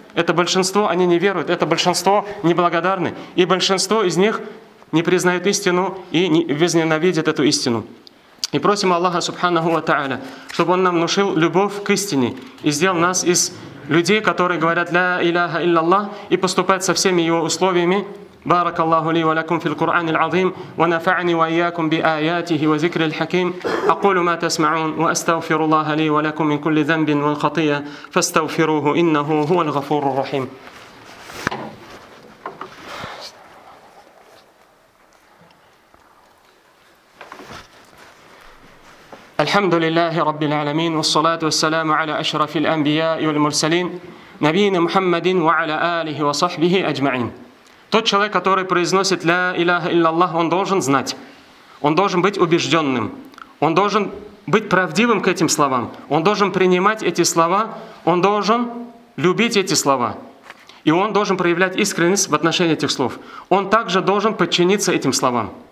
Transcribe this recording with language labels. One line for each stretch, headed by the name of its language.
Russian: Это большинство, они не веруют. Это большинство неблагодарны. И большинство из них не признают истину и возненавидят эту истину. И просим Аллаха Субхану ва Тааля, чтобы Он нам внушил любовь к истине и сделал нас из людей, которые говорят «Ля Иляха Илляллах» и поступают со всеми его условиями.
Arabic: بارك الله لي ولكم في القرآن العظيم ونفعني وإياكم بآياته وذكر الحكيم أقول ما تسمعون وأستغفر الله لي ولكم من كل ذنب وخطيئة فاستغفروه إنه هو الغفور الرحيم. الحمد لله رب العالمين والصلاة والسلام على أشرف الأنبياء والمرسلين نبينا محمد وعلى آله وصحبه أجمعين.
Russian: Тот человек, который произносит «Ля Иляха Илляллах», он должен знать. Он должен быть убежденным. Он должен быть правдивым к этим словам. Он должен принимать эти слова. Он должен любить эти слова. И он должен проявлять искренность в отношении этих слов. Он также должен подчиниться этим словам.